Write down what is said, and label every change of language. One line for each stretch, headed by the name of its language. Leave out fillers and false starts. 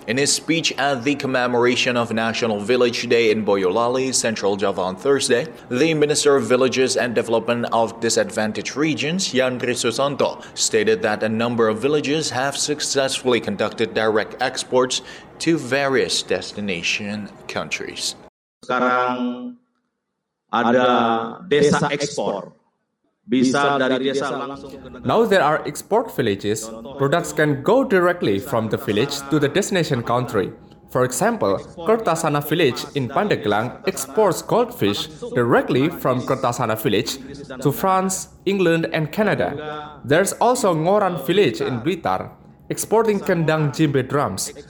English: In his speech at the commemoration of National Village Day in Boyolali, Central Java on Thursday, the Minister of Villages and Development of Disadvantaged Regions, Yandri Susanto, stated that a number of villages have successfully conducted direct exports to various destination countries.
Indonesian: Sekarang ada desa ekspor. Bisa dari desa langsung ke negara.
English: Now there are export villages. Products can go directly from the village to the destination country. For example, Kertasana Village in Pandeglang exports goldfish directly from Kertasana Village to France, England, and Canada. There's also Ngoran Village in Blitar, exporting kendang jimbe drums.